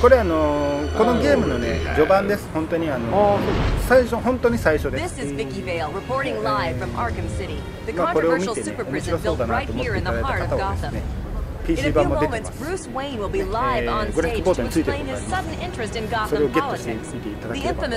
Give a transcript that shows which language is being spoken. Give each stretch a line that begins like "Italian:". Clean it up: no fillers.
Japanese: これこのゲームのね、序盤です。本当に最初、本当に最初です。
English: This is Vicky Vale reporting live from Arkham City.
Japanese: まあ、これを見てね、面白そうだなと思っていただいた方はですね、 PC 版も出てます。グラフィックボードについてございます。それをゲットしてみていただければ。